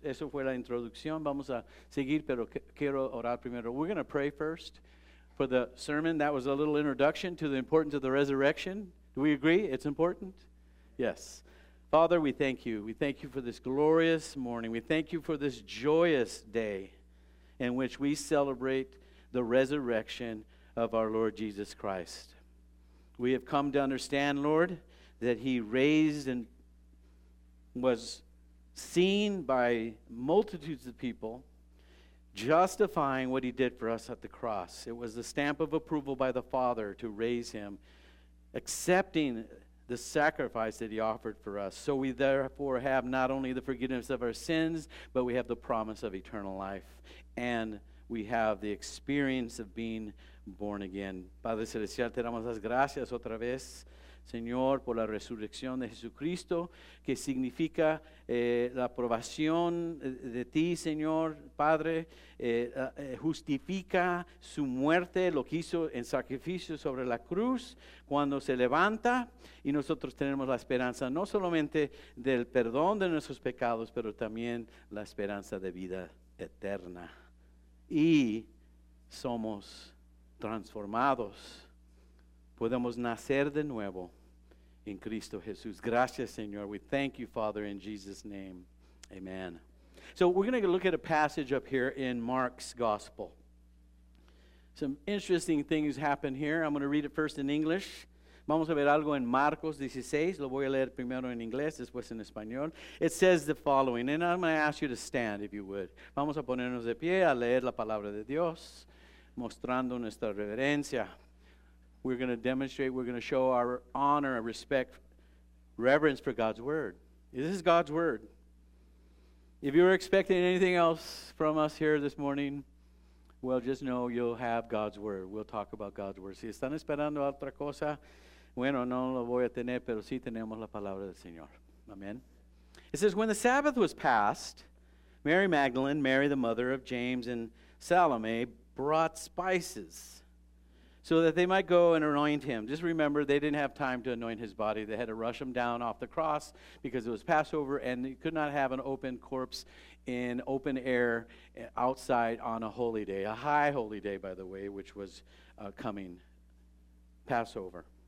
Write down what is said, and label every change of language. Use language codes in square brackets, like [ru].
[es] Eso fue la introducción. Vamos a seguir, pero quiero orar primero. [en] We're going to pray first for the sermon. That was a little introduction to the importance of the resurrection. Do we agree it's important? Yes. Father, we thank you. We thank you for this glorious morning. We thank you for this joyous day in which we celebrate the resurrection of our Lord Jesus Christ. We have come to understand, Lord, that he raised and was seen by multitudes of people, justifying what he did for us at the cross. It was the stamp of approval by the Father to raise him, accepting the sacrifice that he offered for us. So we therefore have not only the forgiveness of our sins, but we have the promise of eternal life. And we have the experience of being born again. [es] Padre Celestial, te damos las gracias otra vez, Señor, por la resurrección de Jesucristo, que significa la aprobación de ti, Señor, Padre, justifica su muerte, lo que hizo en sacrificio sobre la cruz, cuando se levanta, y nosotros tenemos la esperanza, no solamente del perdón de nuestros pecados, pero también la esperanza de vida eterna. Y somos transformados, podemos nacer de nuevo en Cristo Jesús. Gracias, Señor. [en] We thank you, Father, in Jesus' name. Amen. So we're going to look at a passage up here in Mark's Gospel. Some interesting things happen here. I'm going to read it first in English. [es] Vamos a ver algo en Marcos 16. Lo voy a leer primero en inglés, después en español. [en] It says the following, and I'm going to ask you to stand, if you would. [es] Vamos a ponernos de pie a leer la palabra de Dios, mostrando nuestra reverencia. [en] We're going to demonstrate, we're going to show our honor, our respect, reverence for God's word. This is God's word. If you were expecting anything else from us here this morning, well, just know you'll have God's word. We'll talk about God's word. [es] Si están esperando otra cosa, bueno, no lo voy a tener, pero sí tenemos la palabra del Señor. [en] Amen. It says, when the Sabbath was passed, Mary Magdalene, Mary the mother of James and Salome, brought spices so that they might go and anoint him. Just remember, they didn't have time to anoint his body. They had to rush him down off the cross because it was Passover and they could not have an open corpse in open air outside on a holy day, a high holy day, by the way, which was coming Passover.